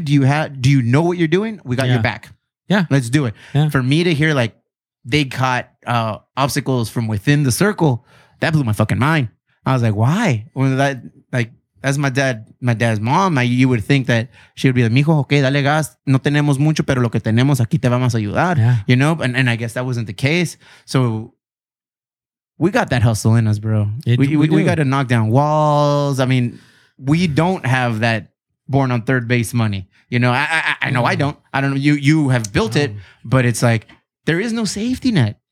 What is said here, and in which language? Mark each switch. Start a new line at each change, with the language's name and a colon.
English: Do you know what you're doing? We got your back. Yeah. Let's do it. Yeah. For me to hear like they caught obstacles from within the circle, that blew my fucking mind. I was like, why? Well, that like, as my dad's mom, you would think that she would be like, mijo, okay,
Spanish: dale gas. No tenemos mucho, pero lo que tenemos aquí te vamos a ayudar.
English: Yeah. You know? And I guess that wasn't the case. So we got that hustle in us, bro. We got to knock down walls. I mean, we don't have that born on third base money. You know, I know I don't. I don't know. You have built it, but it's like, there is no safety net.